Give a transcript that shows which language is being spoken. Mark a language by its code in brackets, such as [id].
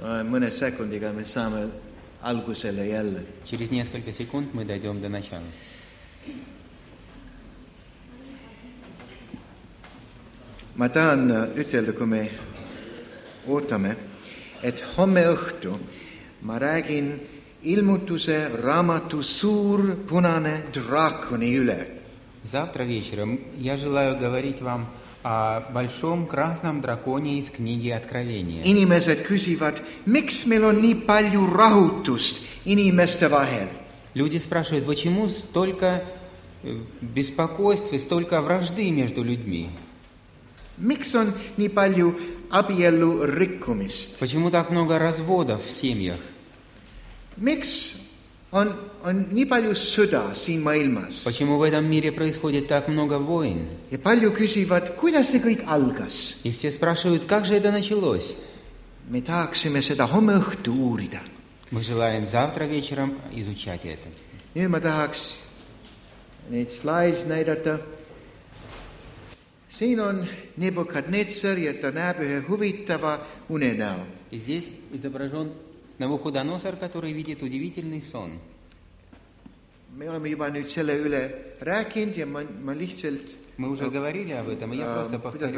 [et] Mõne sekundiga me saame algusele jälle. [ru] Через несколько секунд мы дойдем до начала. [et] Ma tahan ütelda, kui me ootame, et homme õhtu ma räägin ilmutuse raamatu suur punane draakoni üle. [ru] Завтра вечером я желаю говорить вам о большом красном драконе из книги Откровения. [et] Inimesed küsivad, miks meil on nii palju rahutust inimeste vahel? [ru] Люди спрашивают, почему столько беспокойств и столько вражды между людьми? [et] Miks on nii palju abielu rikkumist? [ru] Почему так много разводов в семьях? [et] Miks on nii palju sõda siin maailmas? [ru] Почему в этом мире происходит так много войн? [et] Ja palju küsivad, kuidas see kõik algas? [ru] И все спрашивают, как же это началось? [et] Me tahaksime seda homme õhtu uurida. [ru] Мы желаем завтра вечером изучать это. [et] Nüüd ma tahaks neid slides näidata. Siin on Nebukadnetsar ja ta näeb ühe huvitava unenäo. [ru] И здесь изображен Навуходоносор, который видит удивительный сон. [et] Me oleme juba nüüd selle üle rääkinud ja ma lihtsalt... [ru] Мы уже говорили об этом, я просто повторю.